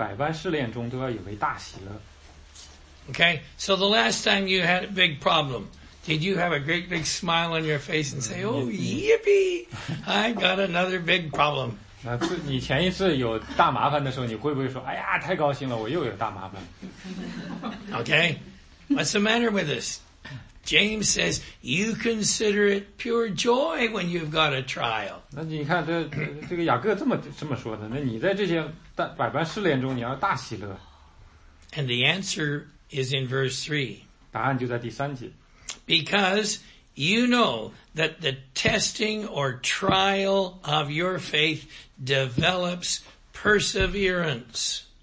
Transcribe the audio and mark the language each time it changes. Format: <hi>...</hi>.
<zh>我的弟兄们，你们落在百般试炼中都要以为大喜乐。</zh> <en>Okay, so the last time you had a big problem, did you have a great big smile on your face and say, oh, yippee, I got another big problem?</en> <zh>你前一次有大麻烦的时候，你会不会说，哎呀，太高兴了，我又有大麻烦。</zh> <en>Okay, what's the matter with this? James says, you consider it pure joy when you've got a trial.</en> <zh>那你看这个雅各这么说的，那你在这些百般试炼中，你要大喜乐。</zh> <en>And the answer is in verse 3.</en> <zh>答案就在第三节。</zh> <en>Because you know that the testing or trial of your faith develops perseverance.</en>